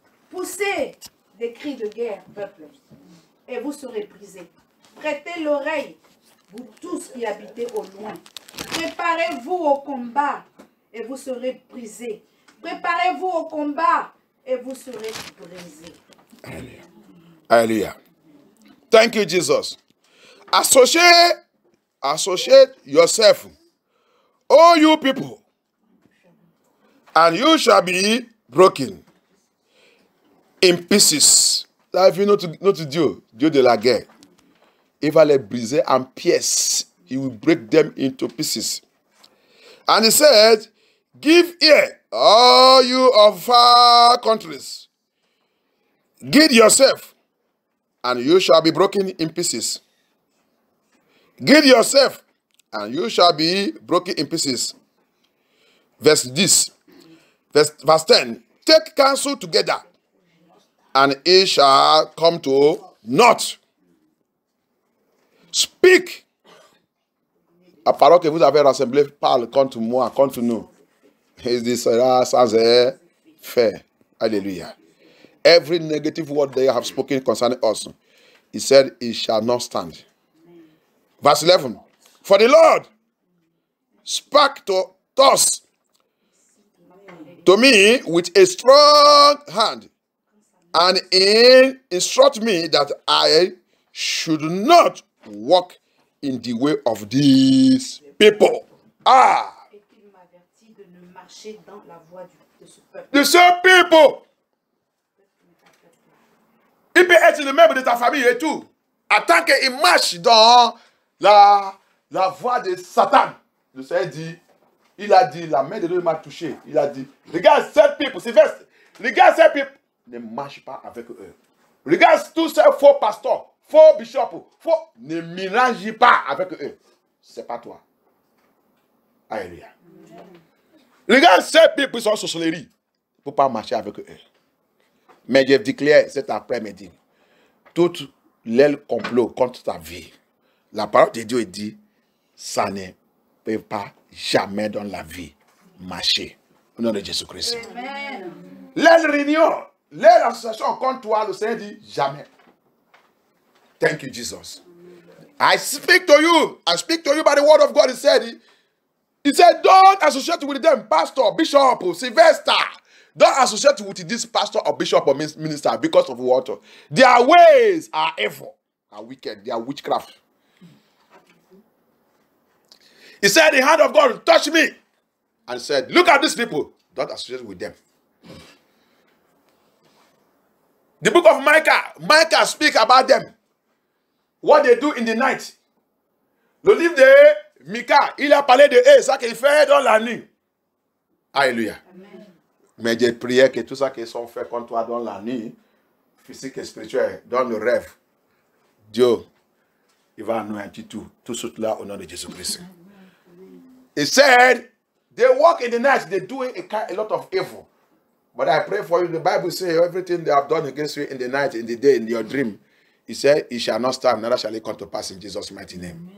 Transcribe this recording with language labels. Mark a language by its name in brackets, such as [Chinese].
[French] Poussez des cris de guerre, peuple, et vous serez brisés. Prêtez l'oreille, vous tous qui habitez au loin. Préparez-vous au combat, et vous serez brisés. Préparez-vous au combat, et vous serez brisés. [English] Alléluia. Alléluia. Thank you, Jesus. Associate yourself, all you people, and you shall be broken in pieces. [French] Là, il vient notre Dieu, Dieu de la guerre. Il va les briser en pièces. [English] He will break them into pieces. And he said, give ear, all you of far countries. Gird yourself, and you shall be broken in pieces. Gird yourself, and you shall be broken in pieces. Verse 10. Verse 10. Take counsel together, and it shall come to naught. Speak. [French] La parole que vous avez rassemblée parle contre moi, contre nous. Il sera sans effet. Alléluia. [English] Every negative word they have spoken concerning us, he said, it shall not stand. Verse 11. For the Lord spoke to us, to me with a strong hand, and he instruct me that I should not walk in the way of these people. Ah! [French] Et il m'a averti de ne marcher dans la voie de ce peuple. De ce people! Il peut être le membre de ta famille et tout. Attends qu'il marche dans la voie de Satan. Le Seigneur dit, il a dit, la main de Dieu m'a touché. Il a dit, regarde ces people, Sylvestre, regarde ces people, ne marche pas avec eux. Regarde tous ces faux pasteurs, faux bishops, faux, ne mélange pas avec eux. C'est pas toi. Alléluia. Regarde ces people, ils sont en sorcellerie. pour pas marcher avec eux. Mais je dis clair cet après-midi, toute l'aile complot contre ta vie, la parole de Dieu dit, ça ne peut pas jamais dans la vie marcher. Au nom de Jésus-Christ. Amen. L'aile réunion, l'aile association contre toi, le Seigneur dit, jamais. [English] Thank you, Jesus. I speak to you by the word of God. He said, don't associate with them, pastor, bishop, Sylvester. Don't associate with this pastor or bishop or minister because of what? Their ways are evil, are wicked, they are witchcraft. He said, the hand of God touched me and said, look at these people, don't associate with them. The book of Micah speaks about them. What they do in the night. [French] Le livre de Micah, il a parlé de eux, ça qu'ils font dans la nuit. Alléluia. Amen. Mais j'ai prié que tout ça qu'ils ont fait contre toi dans la nuit, physique et spirituel, dans le rêve, Dieu, il va nous anointer tout cela au nom de Jésus-Christ. Amen. [English] He said, they walk in the night, they do a lot of evil. But I pray for you, the Bible says, everything they have done against you in the night, in the day, in your dream, He said, it shall not stand, neither shall it come to pass in Jesus' mighty name.